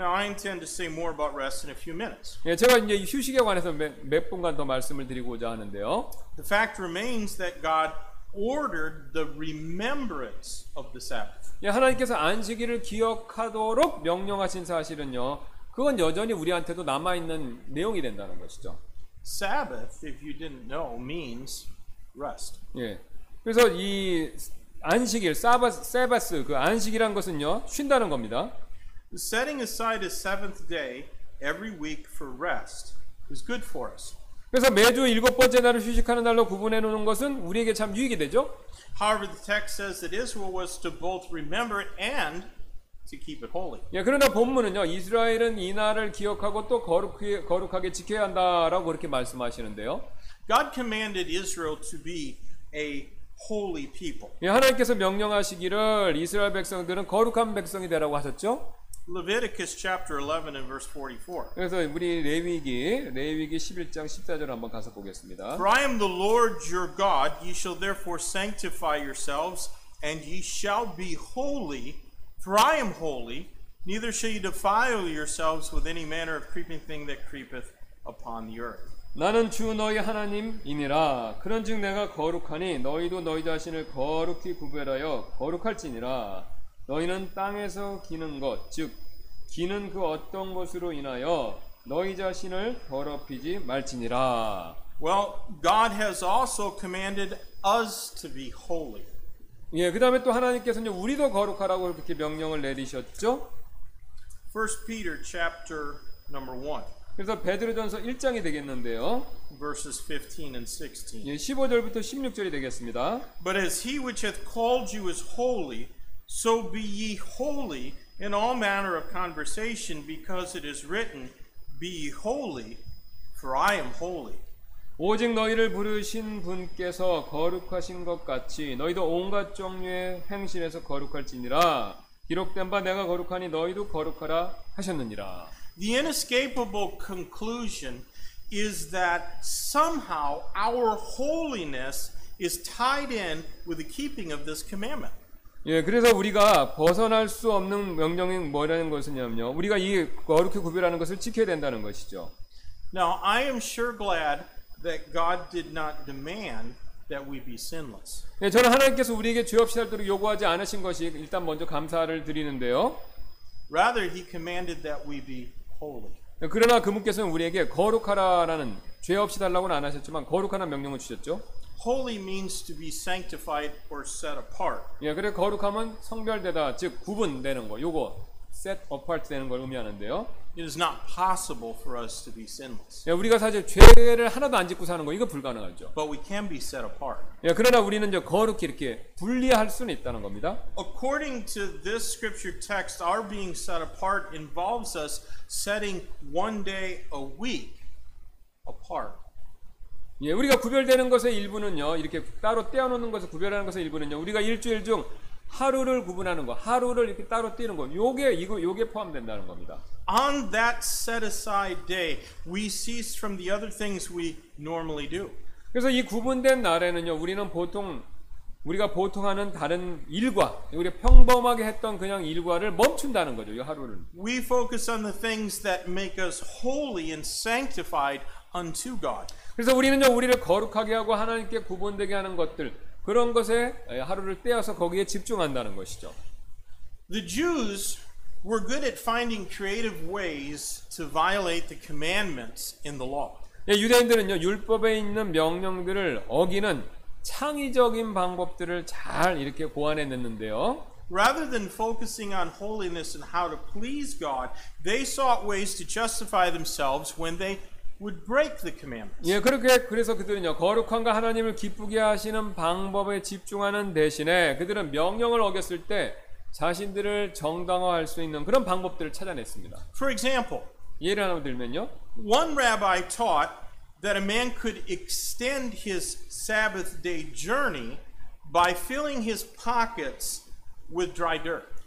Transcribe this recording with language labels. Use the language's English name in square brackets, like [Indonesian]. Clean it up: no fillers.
[English] Now I intend to say more about rest in a few minutes. [Korean] 예, 제가 이제 휴식에 관해서 몇 분간 더 말씀을 드리고자 하는데요. [English] The fact remains that God ordered the remembrance of the Sabbath. [Korean] 예, 하나님께서 안식일을 기억하도록 명령하신 사실은요, 그건 여전히 우리한테도 남아 있는 내용이 된다는 것이죠. [English] Sabbath, if you didn't know, means rest. [Korean] 예, 그래서 이 안식일, 세바스, 그 안식이란 것은요, 쉰다는 겁니다. [English] Setting aside a seventh day every week for rest is good for us. [Korean] 그래서 매주 일곱 번째 날을 휴식하는 날로 구분해 놓는 것은 우리에게 참 유익이 되죠. [English] However, the text says that Israel was to both remember it and to keep it holy. [Korean] 예, 그러나 본문은요, 이스라엘은 이 날을 기억하고 또 거룩하게 지켜야 한다라고 그렇게 말씀하시는데요. [English] God commanded Israel to be a holy people. [Korean] 예, 하나님께서 명령하시기를 이스라엘 백성들은 거룩한 백성이 되라고 하셨죠. [English] Leviticus chapter 11 and verse 44. [Korean] 그래서 우리 레위기 11장 14절 한번 가서 보겠습니다. [English] For I am the Lord your God, ye shall therefore sanctify yourselves, and ye shall be holy, for I am holy, neither shall ye defile yourselves with any manner of creeping thing that creepeth upon the earth. [Korean] 나는 주 너희 하나님이니라. 그런즉 내가 거룩하니 너희도 너희 자신을 거룩히 구별하여 거룩할지니라. 너희는 땅에서 기는 것, 즉 기는 그 어떤 것으로 인하여 너희 자신을 더럽히지 말지니라. [English] Well, God has also commanded us to be holy. [Korean] 예, 그 다음에 또 하나님께서는 우리도 거룩하라고 이렇게 명령을 내리셨죠. [English] 1 Peter chapter number 1. [Korean] 그래서 베드로전서 1장이 되겠는데요. [English] Verses 15 and 16. [Korean] 예, 15절부터 16절이 되겠습니다. [English] But as he which hath called you is holy, so be ye holy in all manner of conversation, because it is written, Be ye holy, for I am holy. [Korean] 오직 너희를 부르신 분께서 거룩하신 것 같이 너희도 온갖 종류의 행실에서 거룩할지니라. 기록된 바 내가 거룩하니 너희도 거룩하라 하셨느니라. [English] The inescapable conclusion is that somehow our holiness is tied in with the keeping of this commandment. [Korean] 예, 그래서 우리가 벗어날 수 없는 명령이 뭐라는 것이냐면요. 우리가 이 거룩히 구별하는 것을 지켜야 된다는 것이죠. [English] Now I am sure glad that God did not demand that we be sinless. [Korean] 예, 저는 하나님께서 우리에게 죄 없이 살도록 요구하지 않으신 것이 일단 먼저 감사를 드리는데요. [English] Rather he commanded that we be holy. [Korean] 그러나 그분께서는 우리에게 거룩하라라는 죄 없이 살라고는 안 하셨지만 거룩하라는 명령을 주셨죠. [English] Holy means to be sanctified or set apart. [Korean] 예, 그래 거룩함은 성별되다, 즉 구분되는 거, 요거 [English] set apart [Korean] 되는 걸 의미하는데요. [English] It is not possible for us to be sinless. [Korean] 예, 우리가 사실 죄를 하나도 안 짓고 사는 거 이거 불가능하죠. [English] But we can be set apart. [Korean] 예, 그러나 우리는 이제 거룩히 이렇게 분리할 수는 있다는 겁니다. [English] According to this scripture text, our being set apart involves us setting one day a week apart. [Korean] 예, 우리가 구별되는 것의 일부는요, 이렇게 따로 떼어놓는 것을 구별하는 것의 일부는요, 우리가 일주일 중 하루를 구분하는 거, 하루를 이렇게 따로 떼는 거, 요게 포함된다는 겁니다. [English] On that set aside day, we cease from the other things we normally do. [Korean] 그래서 이 구분된 날에는요, 우리는 보통 우리가 보통 하는 다른 일과, 우리가 평범하게 했던 그냥 일과를 멈춘다는 거죠, 이 하루를. [English] We focus on the things that make us holy and sanctified unto God. [Korean] 그래서 우리는요, 우리를 거룩하게 하고 하나님께 구분되게 하는 것들, 그런 것에 하루를 떼어서 거기에 집중한다는 것이죠. [English] The Jews were good at finding creative ways to violate the commandments in the law. [Korean] 예, 유대인들은요, 율법에 있는 명령들을 어기는 창의적인 방법들을 잘 이렇게 고안해 냈는데요. [English] Rather than focusing on holiness and how to please God, they sought ways to justify themselves when they would break the commandments. [Korean] 예, 그렇게 그래서 그들은요, 거룩함과 하나님을 기쁘게 하시는 방법에 집중하는 대신에 그들은 명령을 어겼을 때 자신들을 정당화할 수 있는 그런 방법들을 찾아냈습니다. [English] For example, [Korean] 예를 하나 들면요. [English] One rabbi taught that a man could extend his Sabbath day journey by filling his pockets with dry dirt.